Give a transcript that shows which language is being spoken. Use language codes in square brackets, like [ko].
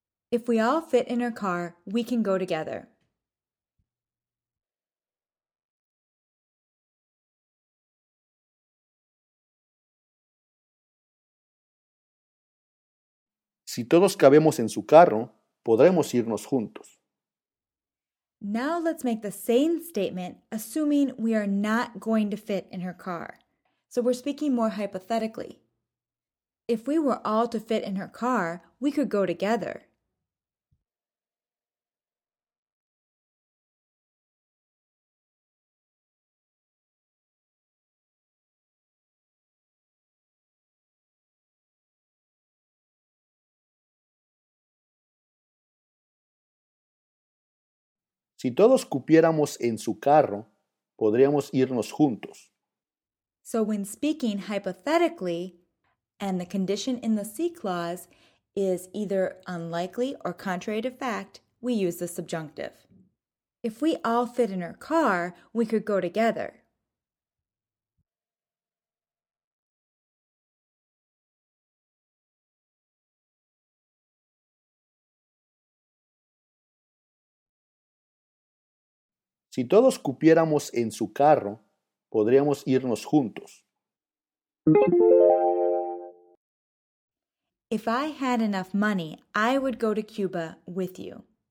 [en] If we all fit in her car, we can go together. [es] Si todos cabemos en su carro, podremos irnos juntos. [en] Now let's make the same statement, assuming we are not going to fit in her car. So we're speaking more hypothetically. If we were all to fit in her car, we could go together. [es] Si todos cupiéramos en su carro, podríamos irnos juntos. [en] So when speaking hypothetically, and the condition in the C clause is either unlikely or contrary to fact, we use the subjunctive. If we all fit in her car, we could go together. [es] Si todos cupiéramos en su carro, podríamos irnos juntos. [en] If I had enough money, I would go to Cuba with you.